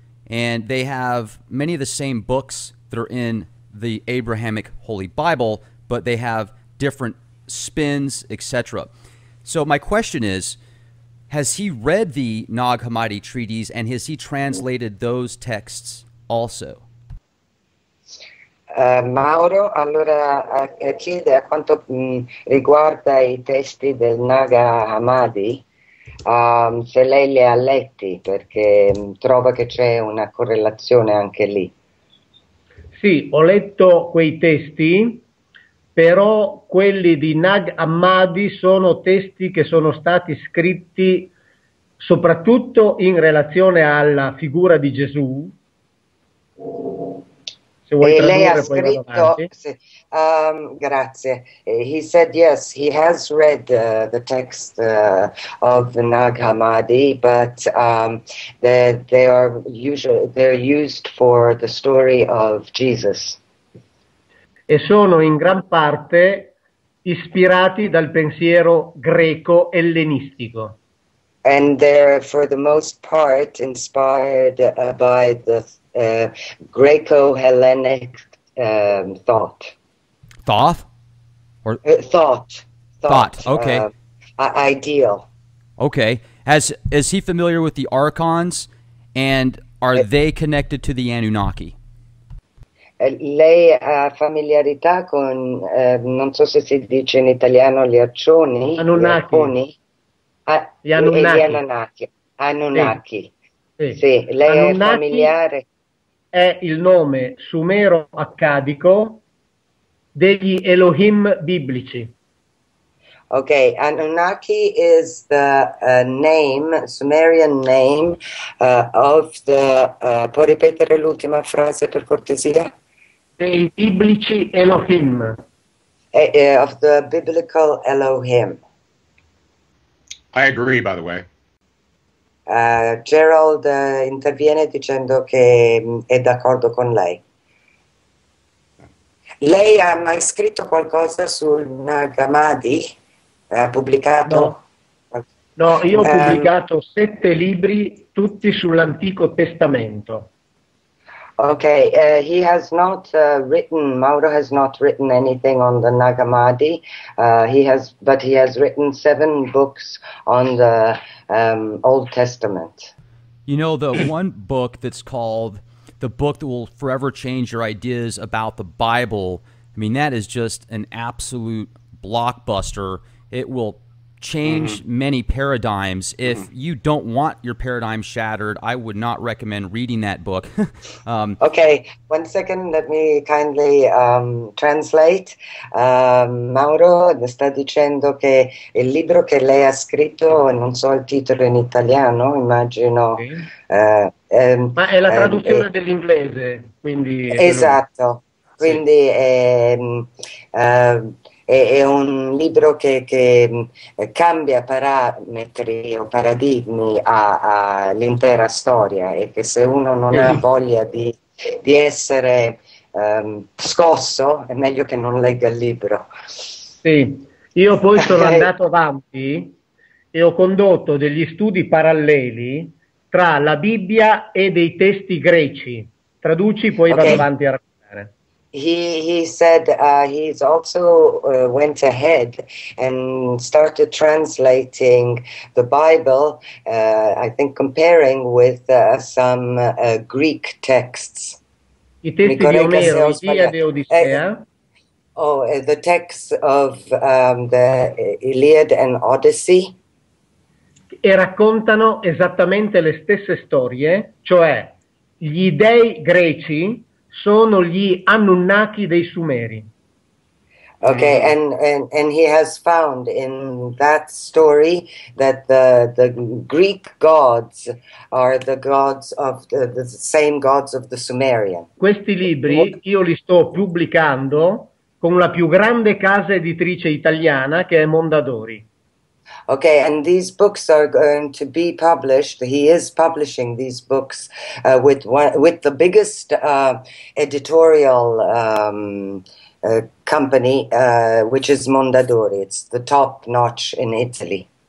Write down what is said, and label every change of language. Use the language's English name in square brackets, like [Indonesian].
[English] And they have many of the same books that are in the Abrahamic Holy Bible, but they have different spins, etc. So my question is, has he read the Nag Hammadi treaties, and has he translated those texts also? [Italian] Mauro, allora chiede a quanto riguarda i testi del Nag Hammadi, se lei li ha letti, perché trova che c'è una correlazione anche lì. Sì, ho letto quei testi, però quelli di Nag Hammadi sono testi che sono stati scritti soprattutto in relazione alla figura di Gesù. [English] He said yes, he has read the text of the Nag Hammadi, but they're used for the story of Jesus. [Italian] E sono in gran parte ispirati dal pensiero greco ellenistico. [English] And they're for the most part inspired by the Greco-Hellenic thought. Thoth? Or thought. Okay. Ideal. Okay. Is he familiar with the Archons, and are they connected to the Anunnaki? [Italian] Lei ha familiarità con, non so se si dice in italiano, gli Arcioni? Anunnaki. Gli Anunnaki. Anunnaki. Sì. Lei Anunnaki è familiare? È il nome sumero accadico degli Elohim biblici. [English] Okay, Anunnaki is the name, Sumerian name, of the, [Italian] può ripetere l'ultima frase per cortesia? Dei biblici Elohim. [English] Of the biblical Elohim. I agree, by the way. [Italian] Gerald interviene dicendo che è d'accordo con lei. Lei ha mai scritto qualcosa sul Nag Hammadi? Ha pubblicato? No, io ho pubblicato 7 libri, tutti sull'Antico Testamento. [English] Ok, he has not written, Mauro has not written anything on the Nag Hammadi, but he has written 7 books on the Old Testament. You know, the one book that's called the book that will forever change your ideas about the Bible, I mean, that is just an absolute blockbuster. It will change many paradigms. If you don't want your paradigm shattered, I would not recommend reading that book. Okay, 1 second, let me kindly translate. [Italian] Mauro sta dicendo che il libro che lei ha scritto, non so il titolo in italiano, immagino. Okay. Ma è la traduzione dell'inglese, quindi... Esatto, quindi... Sì. È un libro che cambia parametri o paradigmi all'intera storia, e che se uno non ha voglia di essere scosso, è meglio che non legga il libro. Sì, io poi sono andato avanti e ho condotto degli studi paralleli tra la Bibbia e dei testi greci. Traduci, poi okay. Vado avanti a raccontare. [English] He said he's also went ahead and started translating the Bible, I think comparing with some Greek texts. [Italian] I testi di Omero, Iliade e Odissea. [English] The texts of the Iliad and Odyssey. [Italian] E raccontano esattamente le stesse storie, cioè gli dei greci sono gli Anunnaki dei Sumeri. [English] Okay, and he has found in that story that the Greek gods are the gods of the same gods of the Sumerian. [Italian] Questi libri io li sto pubblicando con la più grande casa editrice italiana, che è Mondadori. [English] Okay, and these books are going to be published. He is publishing these books with the biggest editorial company, which is Mondadori. It's the top notch in Italy.